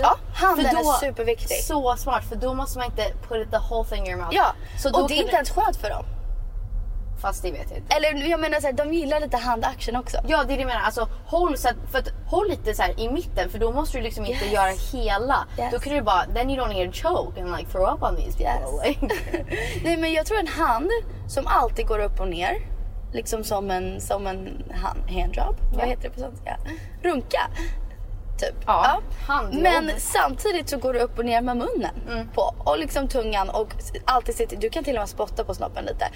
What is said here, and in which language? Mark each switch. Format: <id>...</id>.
<sv>Ja, handen då, är superviktig. Så smart, för då måste man inte</sv> <en>put the whole thing in your mouth.</en> <sv>Ja, så och det är inte ens skönt för dem. Fast det vet jag inte. Eller jag menar såhär, de gillar lite handaction också. Ja, det är det jag menar. Alltså, håll, så att, för att, håll lite såhär i mitten. För då måste du liksom inte göra hela. Då kan du bara,</sv> <en>then you don't need to choke and like throw up on these people.</en> <sv>Nej, men jag tror en hand som alltid går upp och ner. Liksom som en handjob. Vad heter det på sånt? Ja. Runka. Typ. Ja, handjobb. Men samtidigt så går du upp och ner med munnen på, och liksom tungan, och alltid sitter, du kan till och med spotta på snoppen lite.</sv>